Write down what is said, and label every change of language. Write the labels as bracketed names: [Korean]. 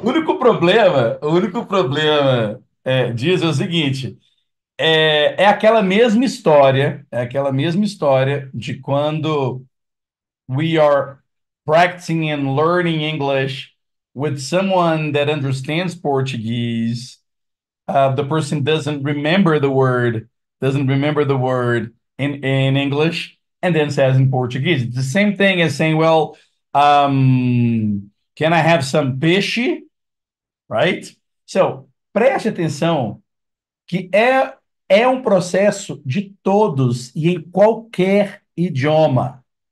[Portuguese] O único problema diz o seguinte: é aquela mesma história de quando [English] we are practicing and learning English with someone that understands Portuguese. The person doesn't remember the word in English, and then says in Portuguese. It's the same thing as saying, well, can I have some peixe? Right? [Portuguese] So, preste atenção que é um processo de todos e em qualquer idioma.